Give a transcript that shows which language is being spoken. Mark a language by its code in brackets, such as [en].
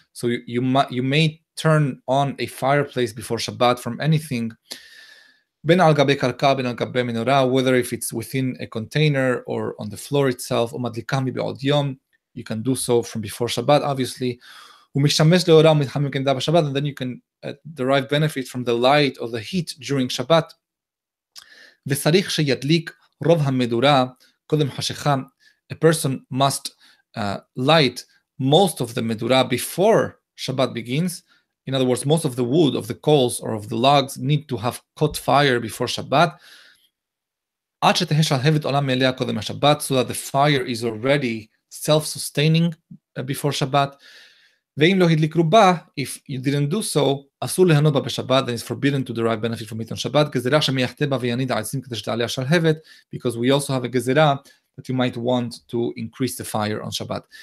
[en] So you may turn on a fireplace before Shabbat from anything, [he] ben al gabe karka, ben al gabe menorah, [en] whether if it's within a container or on the floor itself, [he] o madlikam bi'od yom, [en] you can do so from before Shabbat, obviously. And then you can derive benefit from the light or the heat during Shabbat. [he] וסריך שידליק רוב המדורה קודם חשיכה. [en] A person must light most of the medura before Shabbat begins. In other words, most of the wood of the coals or of the logs need to have caught fire before Shabbat. [he] עד שתהיה שלהבת עולה מאליה קודם השבת, [en] so that the fire is already self-sustaining before Shabbat. [he] ואם לא הדליק רובה, [en] if you didn't do so, [he] אסור להנות בה בשבת, [en] then it's forbidden to derive benefit from it on Shabbat, [he] גזירה שמייחתה בה ויניד העצים כדי שתעלה השלהבת, [en] because we also have a גזירה that you might want to increase the fire on Shabbat.